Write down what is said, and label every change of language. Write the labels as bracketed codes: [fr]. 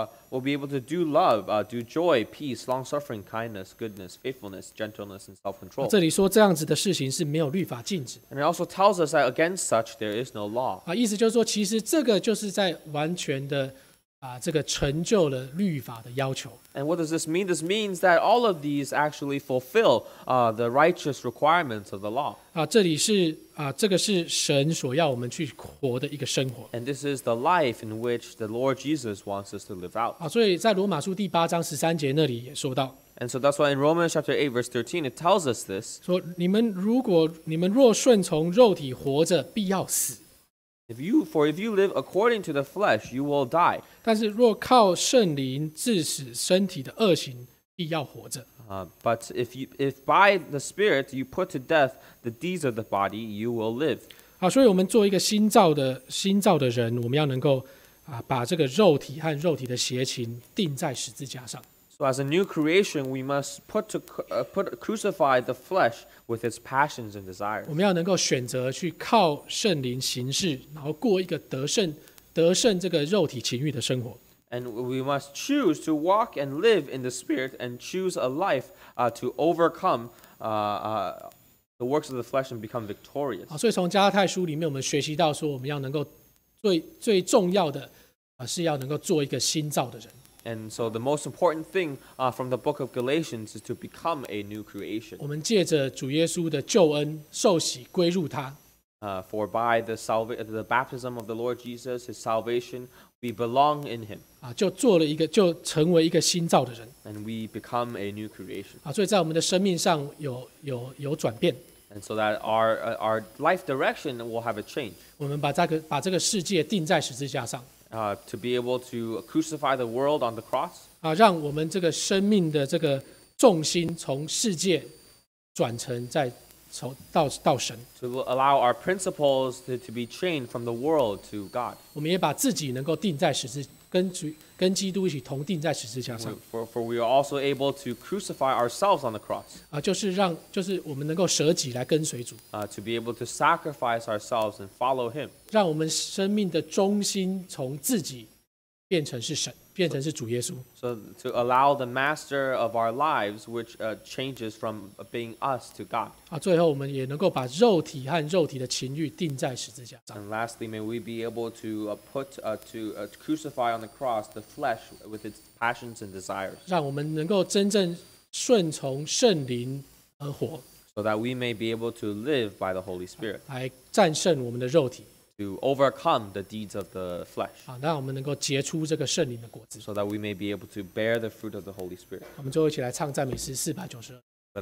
[en] We'll be able to do love, do joy, peace, long-suffering, kindness, goodness, faithfulness, gentleness, and self-control. [zh] 这里说这样子的事情是没有律法禁止。 [en] And it also tells us that against such there is no law. [zh] 意思就是说，其实这个就是在完全的这个成就了律法的要求。 [en] And what does this mean? This means that all of these actually fulfill the righteous requirements of the law. [zh] 这里是这个是神所要我们去活的一个生活。 [en] And this is the life in which the Lord Jesus wants us to live out. [zh] 所以在罗马书第八章十三节那里也说到。 [en] And so that's why in Romans chapter 8 verse 13 it tells us this. [zh] 说你们如果你们若顺从肉体活着，必要死。 [en] If you live according to the flesh, you will die. [zh] 但是若靠圣灵致使身体的恶行，必要活着。 [en] But if by the Spirit you put to death the deeds of the body, you will live. [zh] 所以我们做一个新造的人，我们要能够把这个肉体和肉体的邪情钉在十字架上。 [en] So as a new creation, we must crucify the flesh with its passions and desires. [zh] 我们要能够选择去靠圣灵行事，然后过一个得胜这个肉体情欲的生活。 [en] And we must choose to walk and live in the Spirit and choose a life to overcome the works of the flesh and become victorious. [zh] 所以从加拉太书里面，我们学习到说，我们要能够最重要的是要能够做一个新造的人。 [en] And so the most important thing from the book of Galatians is to become a new creation. [zh] 我们借着主耶稣的救恩受洗归入他。 [en] For by the baptism of the Lord Jesus, his salvation, we belong in him. [zh] 就成为一个新造的人。 [en] And we become a new creation. [zh] 所以在我们的生命上有转变。 [en] And so that our life direction will have a change. [zh] 我们把这个世界钉在十字架上。 [en] To be able to crucify the world on the cross. [zh] 让我们这个生命的这个重心从世界转成再从到神。 [en] To allow our principles to be chained from the world to God. [zh] 我们也把自己能够钉在十字跟基督一起同钉在十字架上。 [en] For we are also able to crucify ourselves on the cross. [zh] 就是我们能够舍己来跟随主。 [en] To be able to sacrifice ourselves and follow him. [zh] 让我们生命的中心从自己变成是神，变成是主耶稣。 [en] So to allow the master of our lives, which changes from being us to God. [zh] 最后我们也能够把肉体和肉体的情欲钉在十字架上。 [en] And lastly, may we be able to crucify on the cross the flesh with its passions and desires. [zh] 让我们能够真正顺从圣灵而活。 [en] So that we may be able to live by the Holy Spirit. [zh] 来战胜我们的肉体。 [en] To overcome the deeds of the flesh. [zh] 那我们能够结出这个圣灵的果子。 [en] So that we may be able to bear the fruit of the Holy Spirit. [zh] 我们最后一起来唱赞美诗四百九十二。